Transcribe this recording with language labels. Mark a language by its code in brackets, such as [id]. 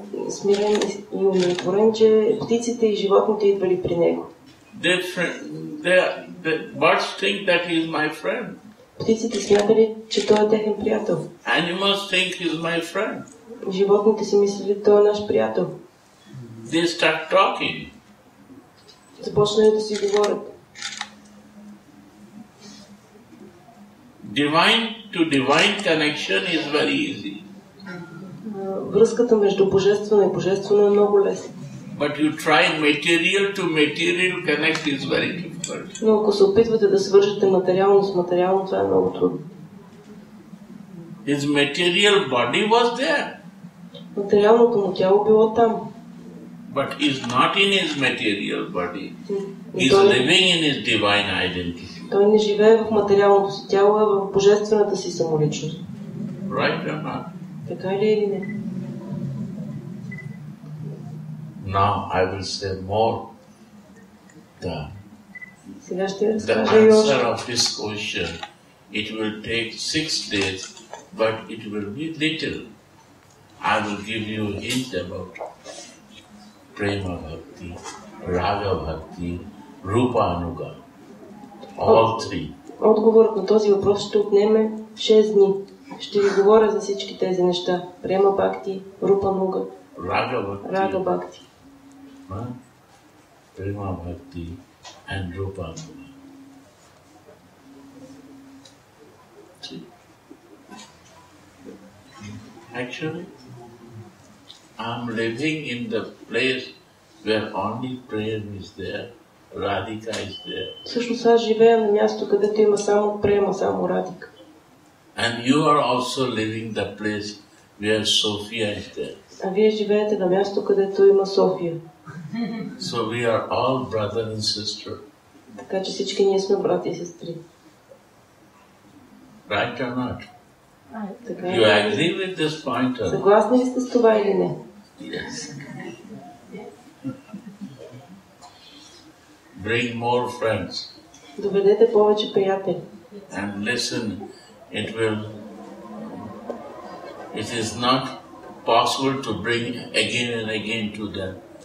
[bg] Смирен и умиротворен, че птиците и животните идвали при него. [en] The birds think that he is my friend. [bg] Птиците смятали, че той е техен приятел. [en] Animals think he is my friend. [bg] Животните си мислили, че той е наш приятел. [en] They start talking. [bg] Започнали да си говорят. [en] Divine to divine connection is very easy. [bg] Връзката между божествено и божествено е много лесна. [en] But you try material to material connect is very difficult. [bg] Но ако се опитвате да свържете материално с материално, това е много трудно. [en] His material body was there. [bg] Материалното му тяло било там. [en] But he is not in his material body. He is living in his divine identity. [bg] Той не живее в материалното си тяло, а в божествената си самоличност. [en] Right or not? [bg] Така ли или не? [en] Now I will say more the answer of this question. It will take 6 days, but it will be little. I will give you a hint about Prema Bhakti, Raga Bhakti, Rupa Anuga, all three. [bg] Отговорът на този въпрос ще отнеме 6 дни. Ще ви говоря за всички тези неща. [en] Prema Bhakti, Rupa Anuga, Raga Bhakti. Prema Bhakti and Rupa Anuga. Actually, I am living in the place where only prayer is there, Радика is there. [bg] Всъщност аз живея на място, където има само према, само Радика. [en] And you are also living the place where Sophia is there. [bg] А вие живеете на място, където има София. [en] So we are all brother and sister. [bg] Така че всички ние сме брати и сестри. [en] Right or not? Right. You agree with this point? [bg] Съгласни ли сте с това или не? [en] Yes. Bring more friends. [bg] Доведете повече приятели. [en] And listen, it is not possible to bring again and again to them.